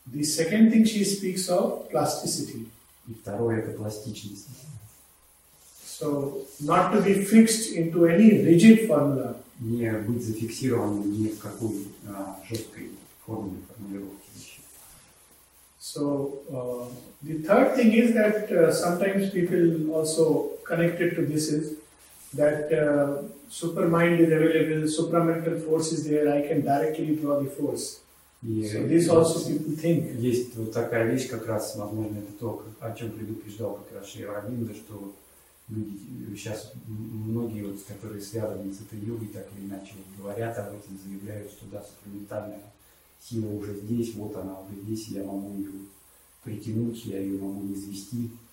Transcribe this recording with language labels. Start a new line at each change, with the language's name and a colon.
English: The second thing she speaks of – plasticity.
Russian: И второе – это пластичность.
English: So, not to be fixed into any rigid formula.
Russian: Не быть зафиксированным ни в какой жесткой форме формулировки вещи.
English: So, the third thing is that sometimes people also connected to this is that super mind is available, supramental force is there, I can directly draw the force.
Russian: Есть вот такая вещь, как раз, возможно, это то, о чем предупреждал как раз Шри Аурбинда, что люди, сейчас многие, вот, которые связаны с этой йогой, так или иначе вот, говорят об этом, заявляют, что да, супраментальная сила уже здесь, вот она уже здесь, я могу ее притянуть, я ее могу извести.